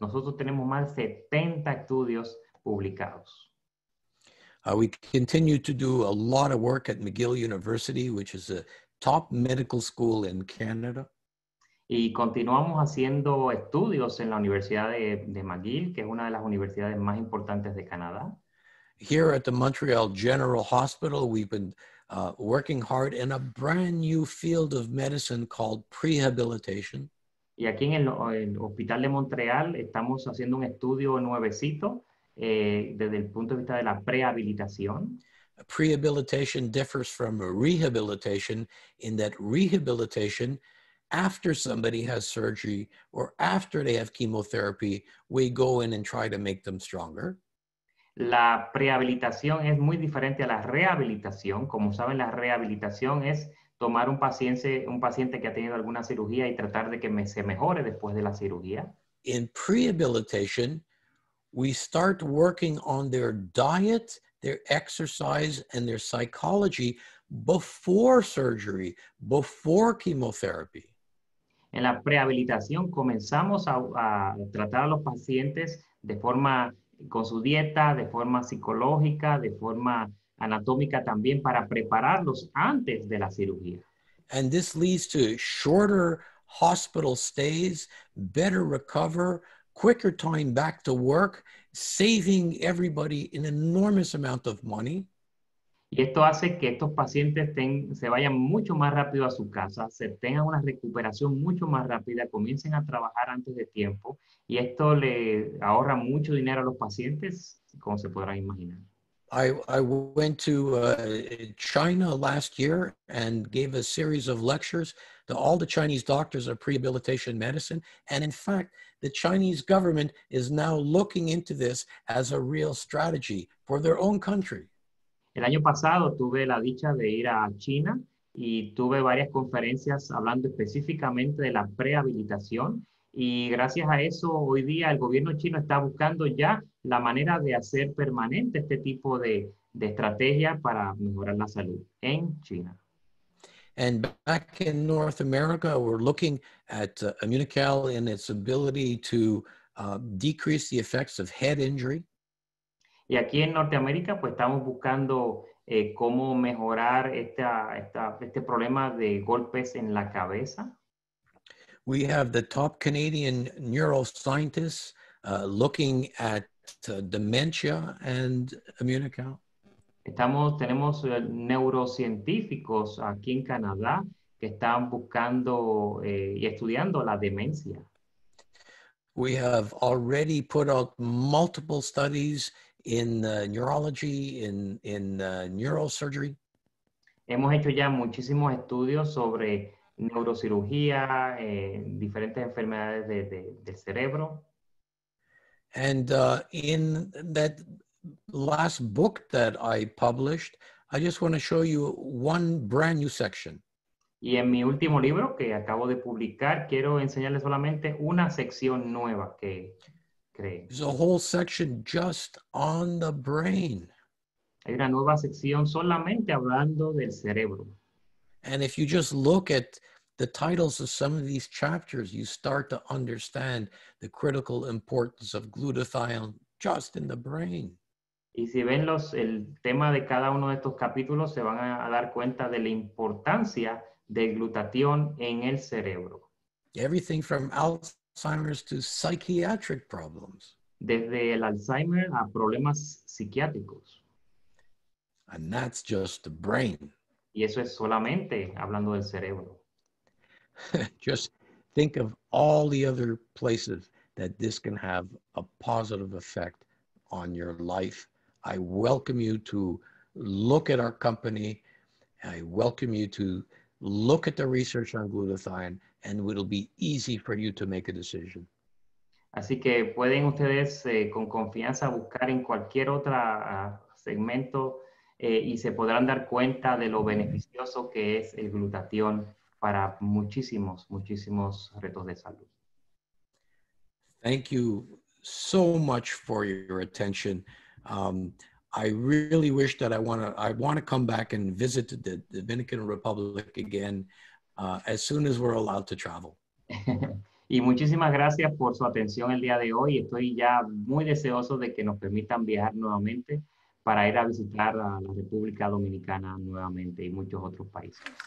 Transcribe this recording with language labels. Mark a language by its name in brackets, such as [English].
[Spanish] Nosotros tenemos más de 70 estudios publicados. [English] We continue to do a lot of work at McGill University, which is a top medical school in Canada. [Spanish] Y continuamos haciendo estudios en la Universidad de McGill, que es una de las universidades más importantes de Canadá. [English] Here at the Montreal General Hospital, we've been working hard in a brand new field of medicine called prehabilitation. [Spanish] Y aquí en el Hospital de Montreal estamos haciendo un estudio nuevecito desde el punto de vista de la prehabilitación. [English] Prehabilitation differs from rehabilitation in that rehabilitation after somebody has surgery or after they have chemotherapy, we go in and try to make them stronger. [Spanish] La prehabilitación es muy diferente a la rehabilitación. Como saben, la rehabilitación es tomar un paciente que ha tenido alguna cirugía y tratar de que se mejore después de la cirugía. [English] In prehabilitation, we start working on their diet, their exercise, and their psychology before surgery, before chemotherapy. [Spanish] En la prehabilitación comenzamos a tratar a los pacientes de forma con su dieta, de forma psicológica, de forma anatómica también para prepararlos antes de la cirugía. [English] And this leads to shorter hospital stays, better recover, quicker time back to work, saving everybody an enormous amount of money. [Spanish] Y esto hace que estos pacientes se vayan mucho más rápido a su casa, se tengan una recuperación mucho más rápida, comiencen a trabajar antes de tiempo, y esto le ahorra mucho dinero a los pacientes, como se podrán imaginar. [English] I went to China last year and gave a series of lectures to all the Chinese doctors of prehabilitation medicine, and in fact, the Chinese government is now looking into this as a real strategy for their own country. [Spanish] El año pasado tuve la dicha de ir a China y tuve varias conferencias hablando específicamente de la prehabilitación y gracias a eso hoy día el gobierno chino está buscando ya la manera de hacer permanente este tipo de estrategia para mejorar la salud en China. [English] And back in North America, we're looking at IMMUNOCAL and its ability to decrease the effects of head injury. [Spanish] Y aquí en Norteamérica, pues estamos buscando cómo mejorar este problema de golpes en la cabeza. [English] We have the top Canadian neuroscientists looking at dementia and IMMUNOCAL. [Spanish] Tenemos neurocientíficos aquí en Canadá que están buscando y estudiando la demencia. [English] We have already put out multiple studies in neurology, in neurosurgery. [Spanish] Hemos hecho ya muchísimos estudios sobre neurocirugía, diferentes enfermedades del cerebro. [English] And in that last book that I published, I just want to show you one brand new section. [Spanish] Y en mi último libro que acabo de publicar, quiero enseñarles solamente una sección nueva que... [English] There's a whole section just on the brain. [Spanish] Hay una nueva sección solamente hablando del cerebro. [English] And if you just look at the titles of some of these chapters, you start to understand the critical importance of glutathione just in the brain. [Spanish] Y si ven el tema de cada uno de estos capítulos, se van a dar cuenta de la importancia del glutatión en el cerebro. [English] Everything from Alzheimer's to psychiatric problems. [Spanish] Desde el Alzheimer a problemas psiquiátricos. [English] And that's just the brain. [Spanish] Y eso es solamente hablando del cerebro. [English] Just think of all the other places that this can have a positive effect on your life. I welcome you to look at our company. I welcome you to look at the research on glutathione, and it'll be easy for you to make a decision. [Spanish] Así que pueden ustedes con confianza buscar en cualquier otro segmento y se podrán dar cuenta de lo beneficioso que es el glutatión para muchísimos retos de salud. [English] Thank you so much for your attention. I really wish that I want to come back and visit the Dominican Republic again as soon as we're allowed to travel. [Spanish] Y muchísimas gracias por su atención el día de hoy. Estoy ya muy deseoso de que nos permitan viajar nuevamente para ir a visitar a la República Dominicana nuevamente y muchos otros países.